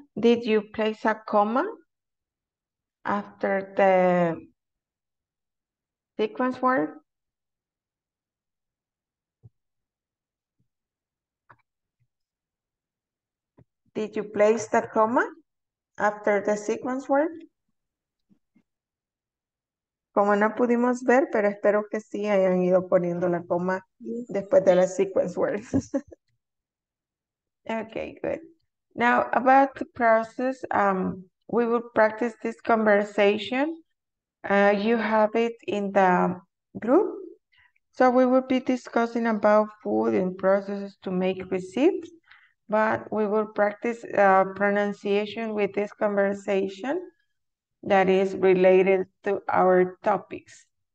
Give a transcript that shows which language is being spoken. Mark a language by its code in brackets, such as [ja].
[en] Did you place a comma after the sequence word? Did you place the comma after the sequence word? [es] Como no pudimos ver, pero espero que sí hayan ido poniendo la coma después de la sequence word. [en] Okay, good. Now, about the process, we will practice this conversation. You have it in the group. So we will be discussing about food and processes to make receipts, but we will practice pronunciation with this conversation that is related to our topics.